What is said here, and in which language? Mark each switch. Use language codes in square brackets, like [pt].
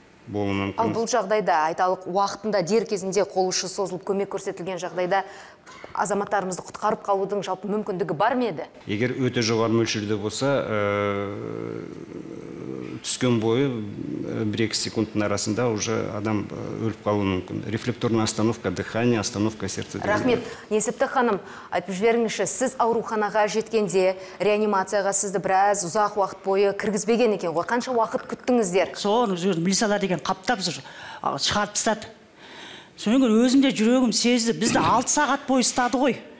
[kk] Ал бұл жағдайда, айталық, уақытында, дер кезінде қол ұшы созылып, көмек көрсетілген жағдайда азаматтарымызды құтқарып қалудың жалпы мүмкіндігі бар ма еді? Егер өте жоғары мөлшерде болса, түскен бойы 1-2 секундтың арасында [ru] уже [kk] адам өліп қалуы мүмкін. [ru] Рефлекторная остановка дыхания, остановка сердца. [kk] Рахмет. Несіпті ханым, айтып жіберіңізші, сіз ауруханаға жеткенде реанимацияға сізді біраз ұзақ уақыт бойы кіргізбеген екен ғой. Қанша уақыт күттіңіздер? Соны жүрдім, милициялар деген қаптап жүр, шығарып тастады. Сонан кейін өзім де жүрегім сезді, бізді 6 сағат бойы ұстады ғой.